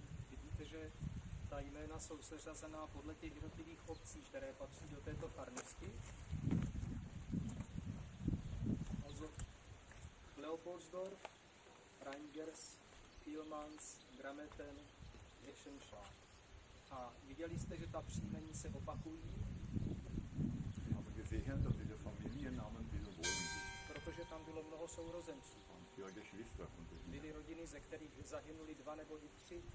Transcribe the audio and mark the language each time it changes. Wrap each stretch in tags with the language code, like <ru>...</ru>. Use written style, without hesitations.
<cs>Vidíte, že ta jména jsou seřazená podle těch jednotlivých obcí, které patří do této farnosti.</cs> <de>Leopoldsdorf, Reingers, Pielmans, Grameten, Eschenschlag.</de> <cs>A viděli jste, že ta příjmení se opakují?</cs> <de>Aber gesehen, dass diese Familiennamen wiederholen sich.</de> <cs>Protože tam bylo mnoho sourozenců. Byly rodiny, ze kterých zahynuli dva nebo i tři</cs>